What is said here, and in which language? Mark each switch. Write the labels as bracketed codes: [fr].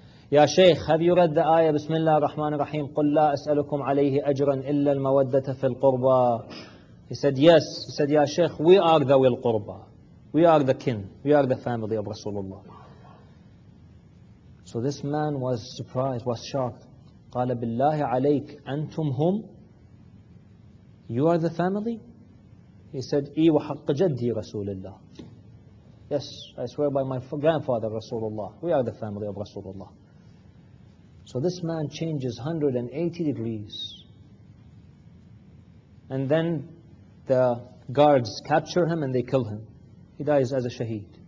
[en] Ya Shaykh, have you read the ayah, Bismillah ar-Rahman ar-Rahim, [ar] قُلْ لَا أَسْأَلُكُمْ عَلَيْهِ أَجْرًا إِلَّا الْمَوَدَّةَ فِي الْقُرْبَى [en] He said, yes. He said, Ya Shaykh, we are the wil qurba. We are the kin. We are the family of Rasulullah. So this man was surprised, was shocked. [ar] قَالَ بِاللَّهِ عَلَيْكَ أَنْتُمْ هُمْ [en] You are the family? He said, [ar] إِي وَحَقَّ جَدِّي رَسُولِ اللَّهِ [en] Yes, I swear by my grandfather, Rasulullah. We are the family of Rasulullah. So this man changes 180 degrees. And then the guards capture him and they kill him. He dies as a shaheed.